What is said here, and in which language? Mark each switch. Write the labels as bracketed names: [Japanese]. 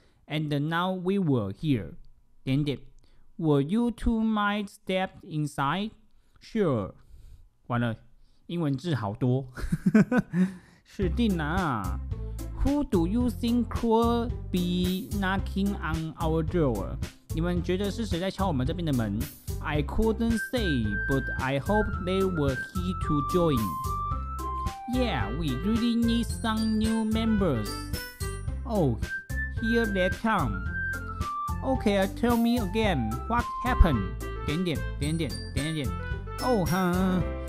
[English] And now we were here. 点点。Were you two might step inside? Sure. [Chinese] 完了，英文字好多。是定了啊。 [English] Who do you think could be knocking on our door? [Chinese] 你们觉得是谁在敲我们这边的门？ [English] I couldn't say, but I hope they were here to join. Yeah, we really need some new members. Oh, here they come. Okay, tell me again, what happened? 点点。Oh, huh?